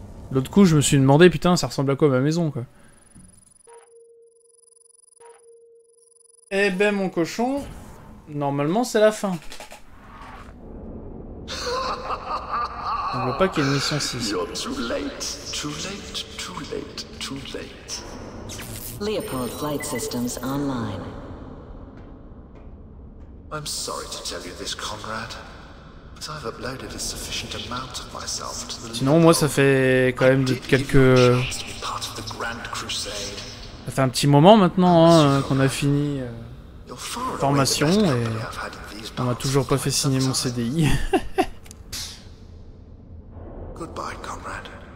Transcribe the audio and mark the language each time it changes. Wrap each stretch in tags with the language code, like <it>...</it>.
<fr>L'autre coup, je me suis demandé, putain, ça ressemble à quoi ma maison, quoi. Eh ben, mon cochon, normalement, c'est la fin. On ne veut pas qu'il y ait une mission 6.</fr> <en>You're too late. Too late, too late, too late. Leopold Flight Systems online. I'm sorry to tell you this, Conrad, but I've uploaded a sufficient amount of myself to the...</en> <fr>Sinon, moi, ça fait quand même quelques...</fr> <en>part of the Grand Crusade.</en> <fr>Ça fait un petit moment maintenant, hein, qu'on a fini la formation et on n'a toujours pas fait signer mon CDI.</fr> <en>Goodbye, comrade.</en>